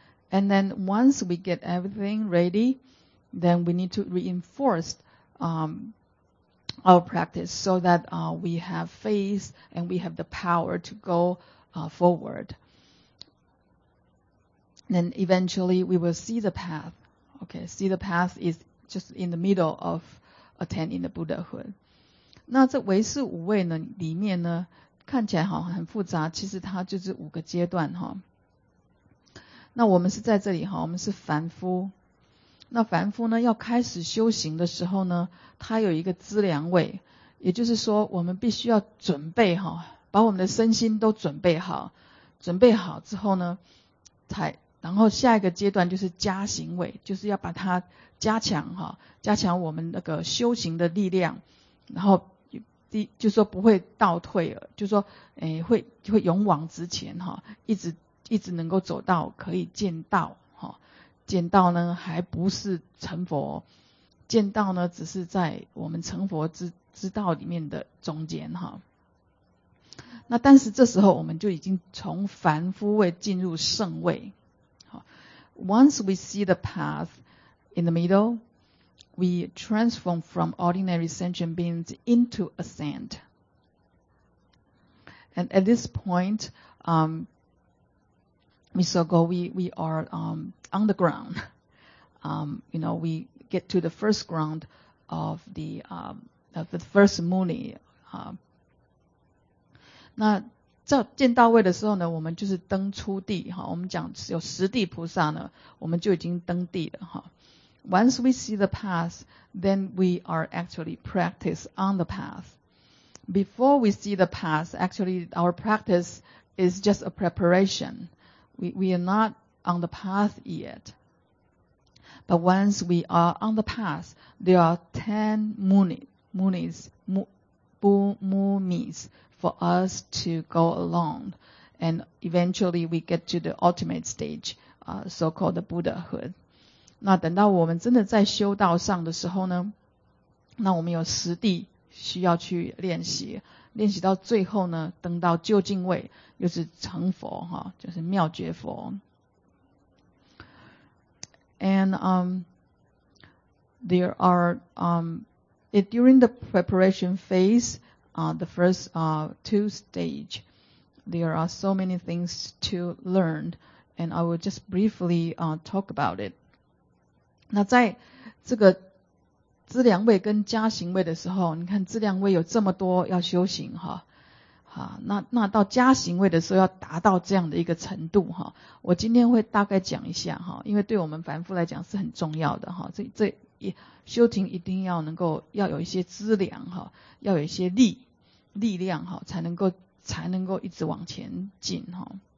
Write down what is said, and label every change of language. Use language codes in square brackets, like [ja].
[en] And then once we get everything ready, then we need to reinforce our practice so that we have faith and we have the power to go forward. Then eventually we will see the path. Okay, see the path is. Just in the middle of attaining the Buddhahood. [zh] 那这唯识五位呢里面呢看起来好很复杂，其实它就是五个阶段哈。那我们是在这里哈，我们是凡夫。那凡夫呢要开始修行的时候呢，它有一个资粮位，也就是说我们必须要准备哈，把我们的身心都准备好，准备好之后呢才。然后下一个阶段就是加行位，就是要把它加强哈，加强我们那个修行的力量，然后就说不会倒退了，就说会勇往直前哈，一直能够走到可以见道哈，见道呢还不是成佛，见道呢只是在我们成佛之道里面的中间哈。那但是这时候我们就已经从凡夫位进入圣位。 [en] Once we see the path in the middle, we transform from ordinary sentient beings into a saint. And at this point, we are on the ground. You know, we get to the first ground of the first muni. [zh] 那在见到位的时候呢，我们就是登初地哈。我们讲有十地菩萨呢，我们就已经登地了哈。 [en] Once we see the path, then we are actually practice on the path. Before we see the path, actually our practice is just a preparation. We are not on the path yet. But once we are on the path, there are 10 munis. For us to go along, and eventually we get to the ultimate stage, so-called the Buddhahood. [zh] 那等到我们真的在修道上的时候呢，那我们有十地需要去练习，练习到最后呢，登到究竟位，就是成佛哈，就是妙觉佛。 [en] And there are during the preparation phase. The first two stage, there are so many things to learn, and I will just briefly talk about it. [zh] 那在这个资粮位跟加行位的时候，你看资粮位有这么多要修行哈，那到加行位的时候要达到这样的一个程度哈，我今天会大概讲一下哈，因为对我们凡夫来讲是很重要的哈，这修行一定要能够要有一些资粮哈，要有一些力量哈，才能够一直往前进哈。